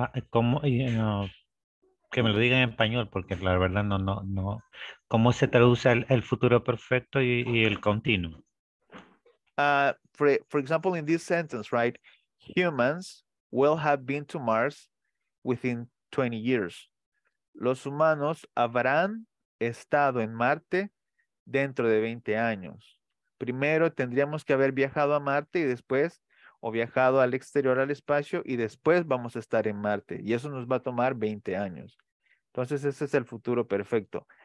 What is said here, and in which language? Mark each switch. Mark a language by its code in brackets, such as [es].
[es] ¿Cómo, que me lo diga en español, porque la verdad no. ¿Cómo se traduce el futuro perfecto y el continuo? [en] For example, in this sentence, right? Humans will have been to Mars within 20 years. [es] Los humanos habrán estado en Marte dentro de 20 años. Primero tendríamos que haber viajado a Marte y después, o viajado al exterior, al espacio, y después vamos a estar en Marte. Y eso nos va a tomar 20 años. Entonces, ese es el futuro perfecto.